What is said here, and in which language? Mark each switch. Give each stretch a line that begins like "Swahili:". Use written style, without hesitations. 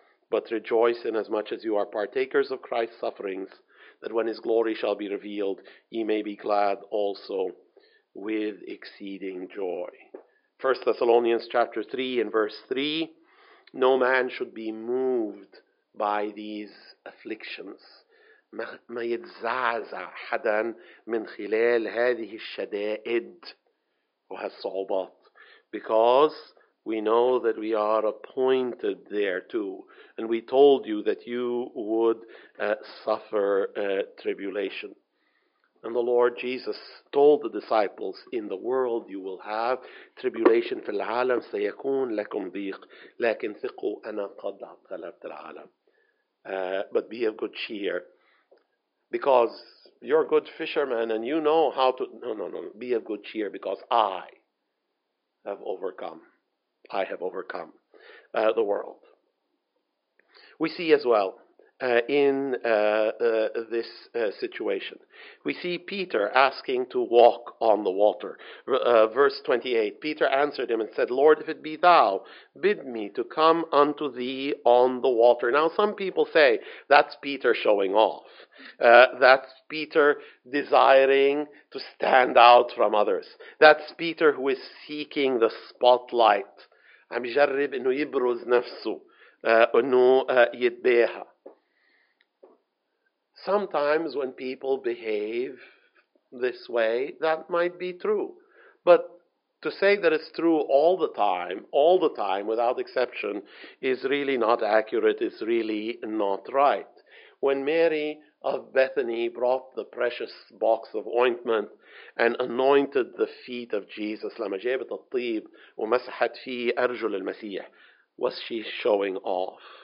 English: But rejoice inasmuch as you are partakers of Christ's sufferings, that when his glory shall be revealed, ye may be glad also with exceeding joy. 1 Thessalonians chapter 3 and verse 3, no man should be moved by these afflictions.
Arabic: ما يتزعزع حدا من خلال هذه الشدائد وهالصعوبات.
English: Because We know that we are appointed thereto, and we told you that you would suffer tribulation. And the Lord Jesus told the disciples, in the world you will have tribulation.
Arabic: في العالم سيكون لكم ضيق لكن ثقوا أنا قد غلبت العالم.
English: But be of good cheer, because you're good fishermen and you know how to... Be of good cheer, because I have overcome. I have overcome the world. We see as well in this situation. We see Peter asking to walk on the water. Verse 28, Peter answered him and said, Lord, if it be thou, bid me to come unto thee on the water. Now, some people say that's Peter showing off. That's Peter desiring to stand out from others. That's Peter who is seeking the spotlight.
Arabic: عم يجرب انه يبرز نفسه انه يتباهى.
English: Sometimes when people behave this way, that might be true. But to say that it's true all the time, without exception, is really not accurate, is really not right. When Mary of Bethany brought the precious box of ointment and anointed the feet of Jesus,
Arabic: لما جابت الطيب ومسحت في أرجل المسيح,
English: was she showing off?